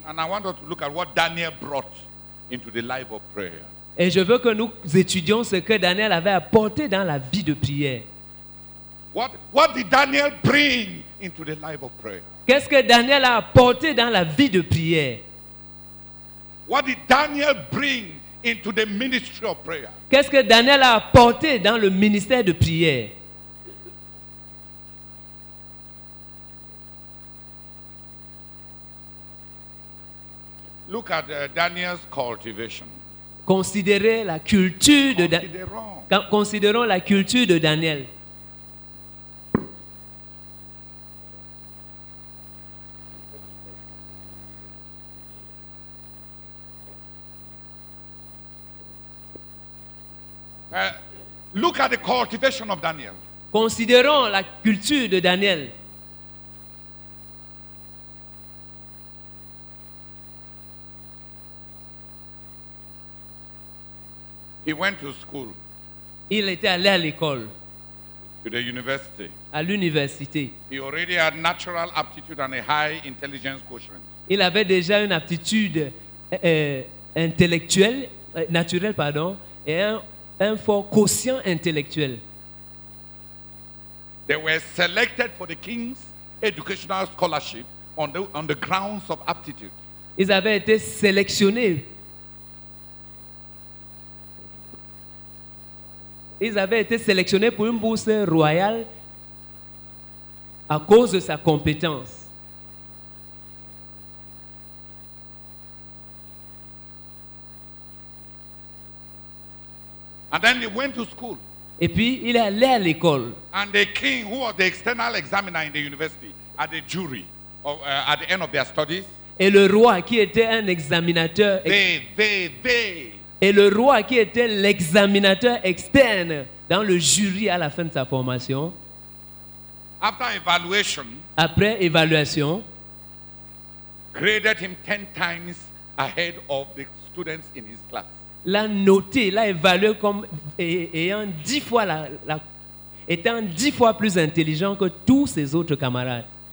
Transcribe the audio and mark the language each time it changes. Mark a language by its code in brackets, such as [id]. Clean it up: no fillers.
[en] And I want us to look at what Daniel brought into the life of prayer. [fr] Et je veux que nous étudions ce que Daniel avait apporté dans la vie de prière. [en] What did Daniel bring into the life of prayer? [fr] Qu'est-ce que Daniel a apporté dans la vie de prière? [en] What did Daniel bring into the ministry of prayer? [fr] Qu'est-ce que Daniel a apporté dans le ministère de prière? [en] Look at Daniel's cultivation. [fr] Considérez la culture de Daniel. Considérons la culture de Daniel. [en] Look at the cultivation of Daniel. [fr] Considérons la culture de Daniel. [en] He went to school. [fr] Il était allé à l'école. [en] To the university. [fr] À l'université. [en] He already had natural aptitude and a high intelligence quotient. [fr] Il avait déjà une aptitude intellectuelle naturelle et un fort quotient intellectuel. [en] They were selected for the king's educational scholarship on the grounds of aptitude. [fr] Ils avaient été sélectionnés. Ils avaient été sélectionnés pour une bourse royale à cause de sa compétence. [en] And then he went to school. [fr] Et puis il est allé à l'école. [en] And the king, who was the external examiner in the university, at the jury, at the end of their studies. [fr] Et le roi qui était un examinateur. Et le roi qui était l'examinateur externe dans le jury à la fin de sa formation. [en] After evaluation. [fr] Après évaluation. [en] Graded him 10 times ahead of the students in his class. [fr] L'a noté, l'a évalué comme ayant 10 fois la étant 10 fois plus intelligent que tous ses autres camarades.